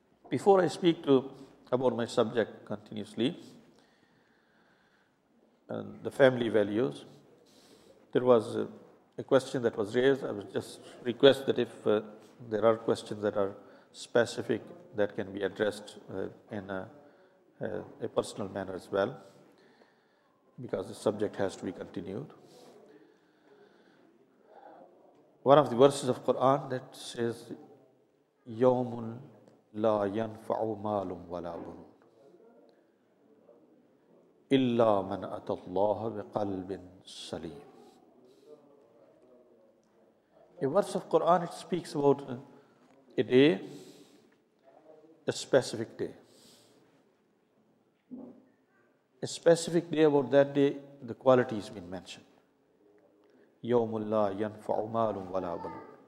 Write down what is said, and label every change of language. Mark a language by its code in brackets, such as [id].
[en] Before I speak to about my subject continuously, and the family values, there was a question that was raised. I would just request that if there are questions that are specific, that can be addressed in a personal manner as well, because the subject has to be continued. One of the verses of Quran that says, [ar] يَوْمٌ لَا يَنْفَعُ مَالٌ وَلَا بُنُونَ إِلَّا مَنْ أَتَى اللَّهَ بِقَلْبٍ سَلِيمٍ. [en] A verse of Quran, it speaks about a day, a specific day. A specific day, about that day, the quality has been mentioned. [ar] يَوْمُ اللَّا يَنْفَعُ مَالٌ وَلَا بَنُونَ.